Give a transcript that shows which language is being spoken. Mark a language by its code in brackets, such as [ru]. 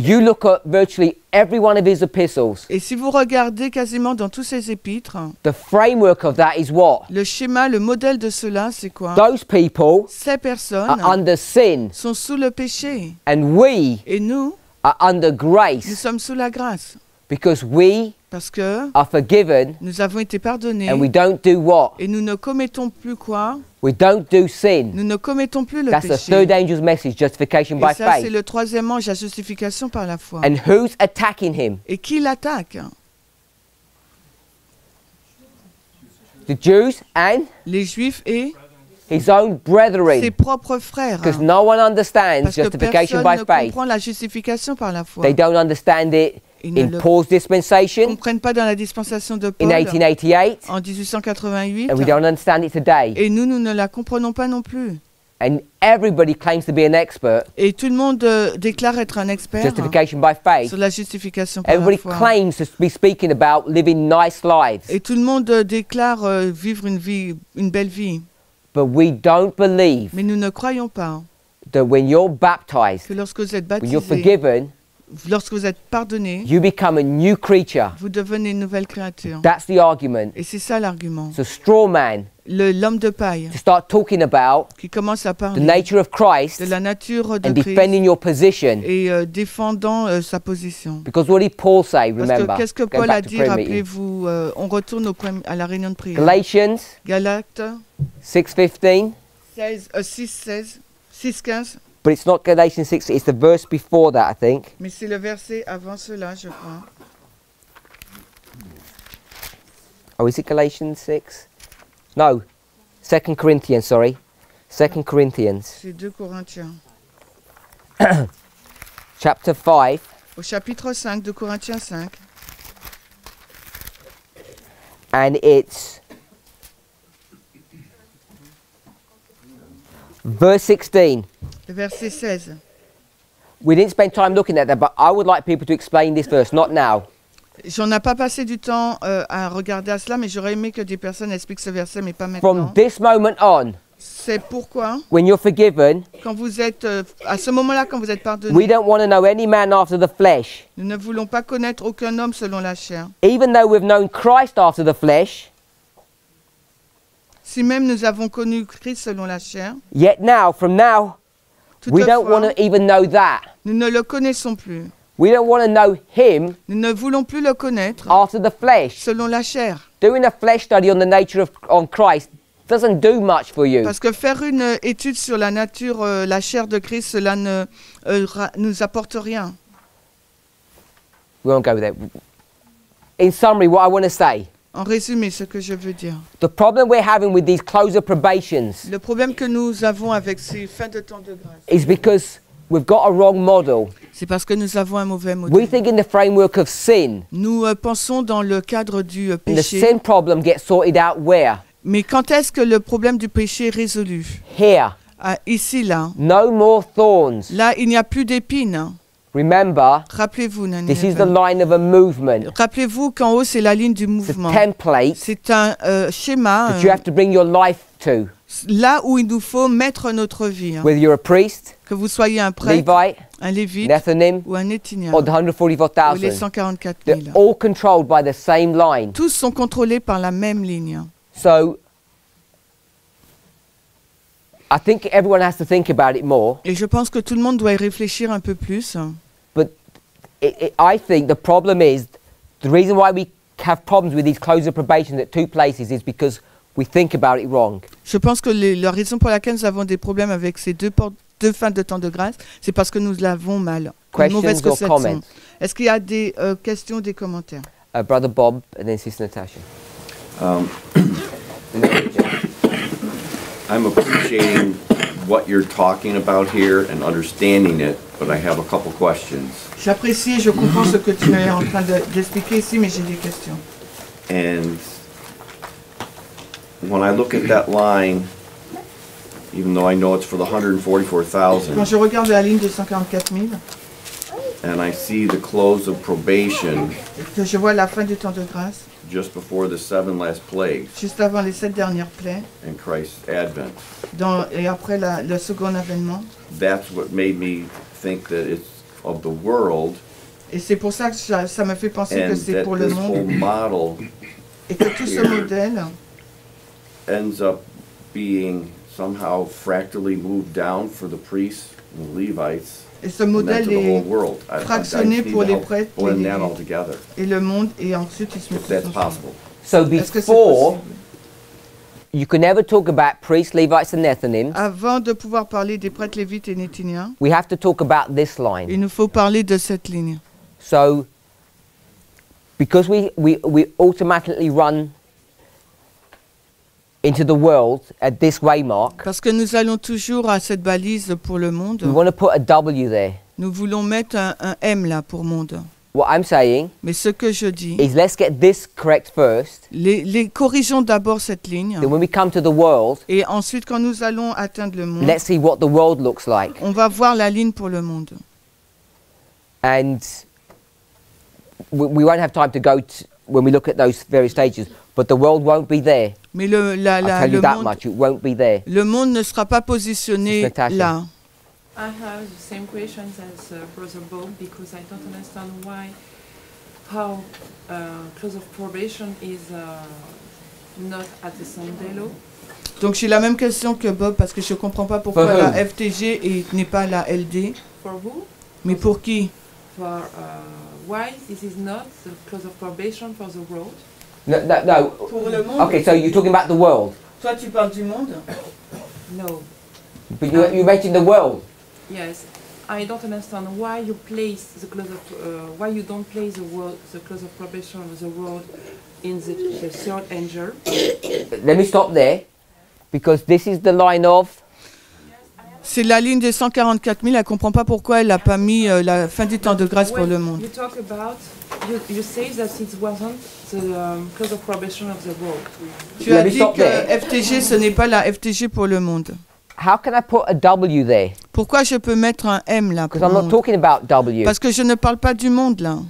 [en] You look at virtually every one of his epistles. [fr] Et si vous regardez quasiment dans tous ses épîtres. [en] The framework of that is what? [fr] Le schéma, le modèle de cela, c'est quoi? [en] Those people. [fr] Ces personnes. [en] Are under sin. [fr] Sont sous le péché. [en] And we. [fr] Et nous. [en] Are under grace. [fr] Nous sommes sous la grâce. [en] Because we. [fr] Parce que. [en] Are forgiven. [fr] Nous avons été pardonnés. [en] And we don't do what? [fr] Et nous ne commettons plus quoi? [en] We don't do sin. [fr] Nous ne commettons plus le [en] That's [fr] péché. [en] The third angel's message, justification [fr] et [en] by [fr] ça, [en] faith. [fr] C'est le troisième ange, la justification par la foi. [en] And who's attacking him? [fr] Et qui l'attaque? [en] The Jews and? [fr] Les Juifs et? [en] His own brethren. [fr] Ses propres frères. [en] Because no one understands [fr] Parce [en] justification by faith. [fr] Parce que personne ne comprend la justification par la foi. [en] They don't understand it. In Paul's dispensation, [fr] ils ne comprennent pas dans la dispensation de Paul [en] in 1888, [fr] en 1888, [en] and we don't understand it today. [fr] Et nous ne la comprenons pas non plus. [en] And everybody claims to be an expert. [fr] Et tout le monde déclare être un expert. [en] Justification by faith. [fr] Sur la justification [en] everybody [fr] par la foi. [en] Claims to be speaking about living nice lives. [fr] Et tout le monde déclare vivre une vie, une belle vie. [en] But we don't believe. [fr] Mais nous ne croyons pas. [en] That when you're baptized, [fr] que lorsque vous êtes baptisé, [en] when you're forgiven. [fr] Lorsque vous êtes pardonné, [en] you become a new creature. [fr] Vous devenez une nouvelle créature. [en] That's the argument. [fr] Et c'est ça l'argument. [en] So straw man, [fr] l'homme de paille, [en] to start talking about [fr] qui commence à parler [en] the nature of Christ, [fr] de la nature de [en] and [fr] Christ, [en] defending your position, [fr] et défendant sa position. [en] Because what did Paul say? Remember, [fr] parce que qu'est-ce que Paul a dit? Rappelez-vous, on retourne au à la réunion de prière. [en] Galatians, [fr] Galates, 6:15. [en] But it's not Galatians 6, it's the verse before that, I think. [fr] Mais c'est le verset avant cela, je crois. [en] Oh, is it Galatians 6? No, 2 Corinthians, sorry. 2 Corinthians. [fr] C'est 2 Corinthiens. [en] Chapter 5. [fr] Au chapitre 5, 2 Corinthiens 5. [en] And it's... Verse 16. [fr] Verset 16. [en] We didn't spend time looking at that, but I would like people to explain this verse, not now. [fr] J'en n'ai pas passé du temps à regarder à cela, mais j'aurais aimé que des personnes expliquent ce verset, mais pas maintenant. [en] From this moment on, [fr] c'est pourquoi, [en] when you're forgiven, [fr] quand vous êtes, à ce moment-là, quand vous êtes pardonné, [en] we don't want to know any man after the flesh. [fr] Nous ne voulons pas connaître aucun homme selon la chair. [en] Even though we've known Christ after the flesh, [fr] si même nous avons connu Christ selon la chair, [en] yet now, from now, [fr] toutefois, [en] we don't want to even know that. [fr] Nous ne le connaissons plus. [en] We don't want to know him. [fr] Nous ne voulons plus le connaître. [en] After the flesh. [fr] Selon la chair. [en] Doing a flesh study on the nature of on Christ doesn't do much for you. [fr] Parce que faire une étude sur la nature, la chair de Christ, cela ne nous apporte rien. [en] We won't go there. In summary, what I want to say. [fr] En résumé, ce que je veux dire. [en] The problem we're having with these closer probations. [fr] Le problème que nous avons avec ces fins de temps de grâce. [en] Is because we've got a wrong model. [fr] C'est parce que nous avons un mauvais modèle. [en] We think in the framework of sin. [fr] Nous pensons dans le cadre du péché. [en] And the sin problem gets sorted out where? [fr] Mais quand est-ce que le problème du péché est résolu? [en] Here. [fr] Ici là. [en] No more thorns. [fr] Là, il n'y a plus d'épines. [en] Remember, [fr] rappelez-vous, [en] this is the line of a movement. [fr] Rappelez-vous qu'en haut c'est la ligne du mouvement. [en] It's a template. [fr] C'est un schéma [en] that you have to bring your life to. [fr] là où il nous faut mettre notre vie. Hein. [en] Whether you're a priest, [fr] que vous soyez un prêtre, [en] Levite, [fr] un lévite, [en] an Ethanim, [fr] ou un éthinien, [en] or the 144,000, [fr] ou les 144 [en] 000, all controlled by the same line. [fr] Tous sont contrôlés par la même ligne. [en] So, I think everyone has to think about it more. [fr] Et je pense que tout le monde doit y réfléchir un peu plus. [en] But I think the problem is, the reason why we have problems with these closer probations at two places is because we think about it wrong. [fr] Je pense que la raison pour laquelle nous avons des problèmes avec ces deux fins de temps de grâce, c'est parce que nous l'avons mal. [en] Questions or comments? [fr] Est-ce qu'il y a des questions, des commentaires? [en] Brother Bob and then Sister Natasha. I'm appreciating what you're talking about here and understanding it, but I have a couple questions. [fr] J'apprécie, je comprends ce que tu es en train d'expliquer ici, mais j'ai des questions. [en] And when I look at that line, even though I know it's for the 144,000, [fr] quand je regarde la ligne de 144,000, [en] and I see the close of probation, [fr] que je vois la fin du temps de grâce, [en] just before the seven last plagues, [fr] juste avant les sept dernières plaies, [en] and Christ's advent, [fr] et après le second avènement, [en] that's what made me think that it's of the world, [fr] et c'est pour ça que ça me fait penser que c'est pour le monde, [en] whole model, [fr] et que tout ce modèle [en] ends up being somehow fractally moved down for the priests and the Levites. [fr] Et ce modèle est fractionné pour les prêtres et le monde, et ensuite ils se mettent ensemble. [en] So before, you can never talk about priests, Levites, and Ethanim. [fr] Avant de pouvoir parler des prêtres, lévites et nétiniens, [en] we have to talk about this line. [fr] Il nous faut parler de cette ligne. [en] So, because we automatically run into the world at this waymark. [fr] Parce que nous allons toujours à cette balise pour le monde. [en] We want to put a W there. [fr] Nous voulons mettre un M là pour monde. [en] What I'm saying, [fr] mais ce que je dis, [en] is let's get this correct first. [fr] Les corrigeons d'abord cette ligne. [en] Then when we come to the world, [fr] et ensuite quand nous allons atteindre le monde, [en] let's see what the world looks like. [fr] On va voir la ligne pour le monde. [en] And we won't have time to go when we look at those various stages. But the world won't be there. [fr] Mais le [en] I'll tell you that [fr] monde, [en] much. It won't be there. [fr] Le monde ne sera pas positionné là. [en] I have the same questions as Brother Bob because I don't understand why, how close of probation is not at the same delo. [fr] Donc j'ai la même question que Bob parce que je comprends pas pourquoi la FTG n'est pas la LD. [en] For who? [fr] Mais pour qui? [en] For why this is not the close of probation for the world? No. [fr] Pour le monde. [en] Okay, so you're talking about the world. [fr] Toi, tu parles du monde. [en] No. But you're making the world. Yes, I don't understand why you place the close of why you don't place the world, the close of probation of the world in the third angel. Let me stop there, because this is the line of. [fr] C'est la ligne des 144 000. Elle comprend pas pourquoi elle a pas mis la fin du temps de grâce pour le monde. [en] You talk about you say that it wasn't the close of probation of the world. [fr] Tu as dit que FTG ce n'est pas la FTG pour le monde. [en] How can I put a W there? [fr] Pourquoi je peux mettre un M là? [en] Because I'm not talking about W. [fr] Parce que je ne parle pas du monde là.